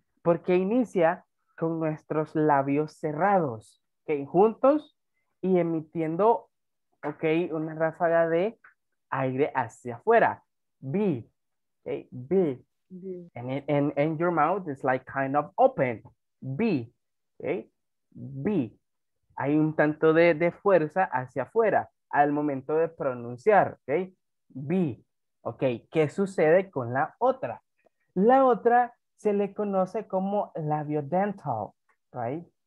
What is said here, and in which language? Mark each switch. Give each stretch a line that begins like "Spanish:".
Spanish: Porque inicia con nuestros labios cerrados, okay, juntos y emitiendo, okay, una ráfaga de aire hacia afuera.
English: B, okay, B. And your mouth is like kind of open. B, okay, B.
Spanish: Hay un tanto de fuerza hacia afuera al momento de pronunciar, okay. B, ok, ¿qué sucede con la otra? La otra se le conoce como labiodental, right?